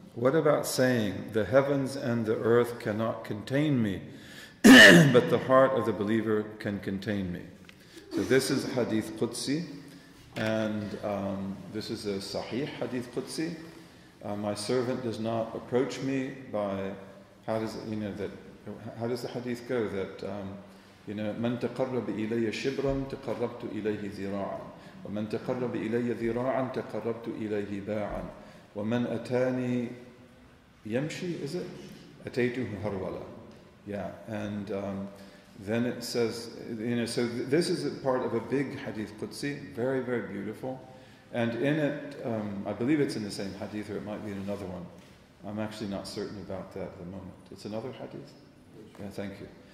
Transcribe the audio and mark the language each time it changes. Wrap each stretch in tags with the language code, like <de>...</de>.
<en>What about saying, the heavens and the earth cannot contain me, but the heart of the believer can contain me? So this is Hadith Qudsi, and this is a Sahih Hadith Qudsi. My servant does not approach me by, how does it, you know, that, how does the hadith go? That, you know,</en> <ar>من تقرب إلي شبرا تقربت إليه ذراعا ومن تقرب إلي ذراعا تقربت إليه باعا ومن أتاني يمشي,</ar> <en>is it?</en> <ar>أتيته هرولا.</ar> <en>Yeah, and then it says, you know, so this is a part of a big hadith Qudsi, very, very beautiful. And in it, I believe it's in the same hadith, or it might be in another one. I'm actually not certain about that at the moment. It's another hadith? Yeah, thank you.</en>